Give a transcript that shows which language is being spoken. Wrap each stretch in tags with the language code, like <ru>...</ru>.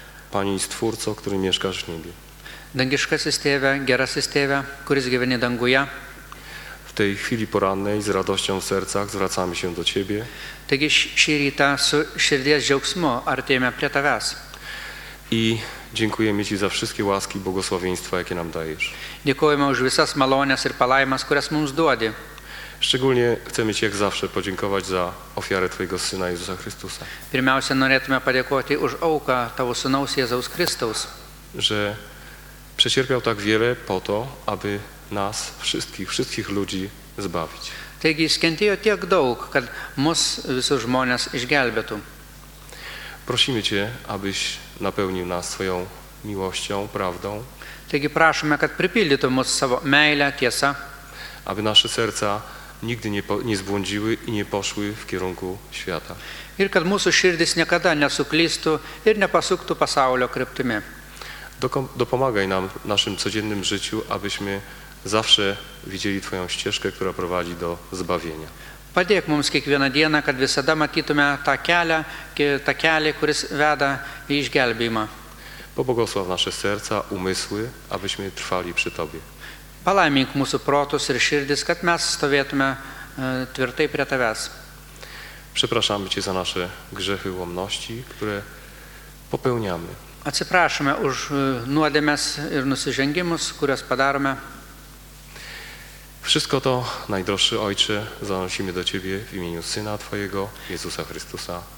<pl>Panie Stwórco, który mieszkasz w niebie.</pl> <lt>Dangiškasis tėve, gerasis tėve, kuris gyveni danguje.</lt> <pl>W tej chwili porannej z radością w sercach zwracamy się do Ciebie.</pl> <lt>Taigi šį rytą su širdies džiaugsmu artėjame prie Tavęs.</lt> <pl>I dziękujemy Ci za wszystkie łaski i błogosławieństwa, jakie nam dajesz. Dziękujemy</pl> <lt>už visas malones ir palaimas, kurias mums duodi.</lt> <pl>Szczególnie chcemy Ci jak zawsze podziękować za ofiarę Twojego Syna Jezusa Chrystusa.</pl> <lt>Pirmiausia norėtume padėkoti už auką Tavo Sūnaus Jėzaus Kristaus.</lt> <pl>Że przecierpiał tak wiele po to, aby nas wszystkich ludzi zbawić.</pl> <lt>Taigi jis kentėjo tiek daug, kad mus visus žmonės išgelbėtų.</lt> <pl>Prosimy Cię, abyś napełnił nas swoją miłością, prawdą.</pl> <lt>Taigi prašome, kad pripildytų mus savo meilę, tiesą.</lt> <pl>Aby nasze serca nigdy nie zbłądziły i nie poszły w kierunku świata.</pl> <lt>Ir kad mūsų širdis niekada nesuklystų ir nepasuktų pasaulio kryptimi.</lt> <pl>Dopomagaj nam w naszym codziennym życiu, abyśmy zawsze widzieli Twoją ścieżkę, która prowadzi do zbawienia.</pl> <lt>Padėk mums kiekvieną dieną, kad visada matytume tą kelią, kuris veda į išgelbėjimą.</lt> <pl>Pobogosław nasze serca, umysły, abyśmy trwali przy Tobie.</pl> <lt>Palaimink mūsų protus ir širdis, kad mes stovėtume tvirtai prie Tavęs.</lt> <pl>Przepraszamy Cię za nasze grzechy, łomności, które popełniamy.</pl> <lt>Atsiprašome už nuodėmes ir nusižengimus, kuriuos padarome.</lt> <pl>Wszystko to, najdroższy Ojcze, zanosimy do Ciebie w imieniu Syna Twojego, Jezusa Chrystusa.</pl>